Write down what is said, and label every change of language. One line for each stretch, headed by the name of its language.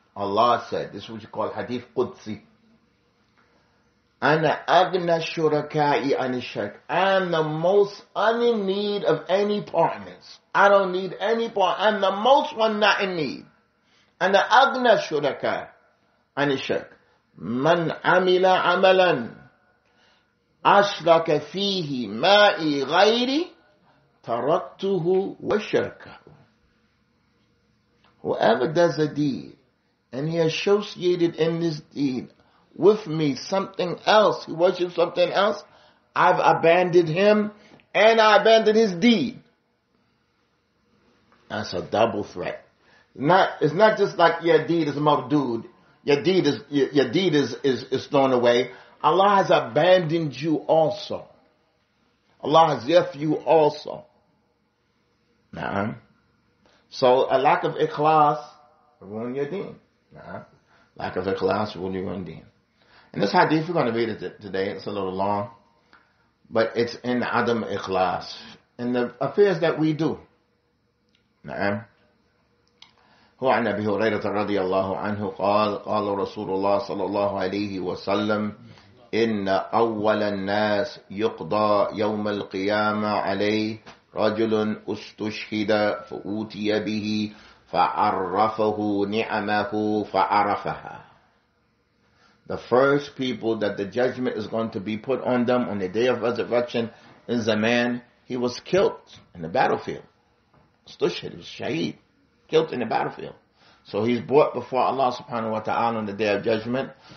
English: Allah said, this is what you call hadith Qudsi.
Arabic: Ana agna shurakai ani shirk.
English: I'm the most in need of any partners. I don't need any partners. I'm the most one not in need.
Arabic: Ana agna shurakai ani shirk. من عمل عملا أشرك فيه ماء غيري تركته وشركه.
English: Whoever does a deed and he associated in this deed with me something else, he worships something else, I've abandoned him and I abandoned his deed. That's a double threat. It's not just like your deed is mardood. Your deed is thrown away. Allah has abandoned you also. Allah has left you also. Nah. So a lack of ikhlas ruin your deen. Nah. Lack of ikhlas ruin your deen. And this hadith, we're going to read it today. It's a little long. But it's in Adam ikhlas. In the affairs that we do. Nah.
Arabic: هو عن أبي هريرة رضي الله عنه قال قال رسول الله صلى الله عليه وسلم إن أول الناس يقضى يوم القيامة عليه رجل استشهد فأوتي به فعرفه نعمه فعرفها.
English: The first people that the judgment is going to be put on them on the day of resurrection is a man, he was killed in the battlefield.
Arabic: استشهد,
English: he was شهيد. Killed in the battlefield. So he's brought before Allah subhanahu wa ta'ala on the day of judgment.